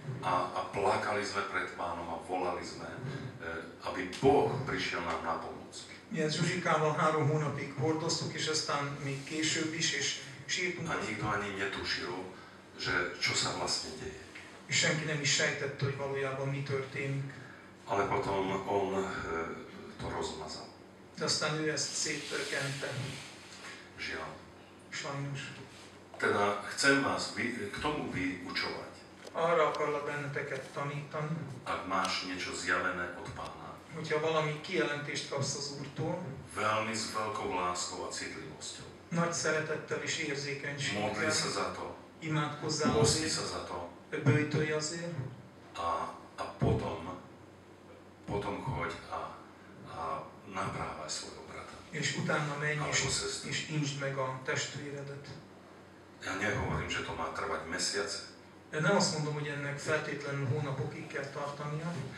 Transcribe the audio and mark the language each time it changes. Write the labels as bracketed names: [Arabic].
[Slovak] a plakali jsme před Pánem a volali jsme, aby Boh přišel nám na pomoc. [Hungarian] Mi s Zsuzsikával 3 hónapig hordoztuk, és aztán még később is, és sírtunk. [Slovak] A nikto ani netušil, že čo sa vlastne deje. [Hungarian] Senki nem is sejtett, hogy valójában mi történik. [Slovak] Ale potom on to rozmazal. [Hungarian] De aztán ő ezt széttörkente. [Slovak] Žiaľ. [Hungarian] Sajnos. [Slovak] Teda chcem vás k tomu vyučovať. [Hungarian] Arra akarlak benneteket tanítani. [Slovak] Ak máš niečo zjavené od Pána. [Hungarian] Hogyha valami kijelentést kapsz az Úrtól. [Slovak] Veľmi s veľkou láskou a citlivosťou. [Hungarian] Nagy szeretettel és érzékenységgel. [Slovak] Modlí sa za to. [Hungarian] Imádkozzá azért. [Slovak] Sa za to. [Hungarian] Bőjtölj azért. [Slovak] A potom choď a naprávaj svojho brata. [Hungarian] És utána menj és intsd meg a testvéredet. [Slovak] Ja nehovorím, že to má trvať mesiace. [Hungarian] Ja nem azt mondom, hogy ennek feltétlenül hónapokig kell tartania.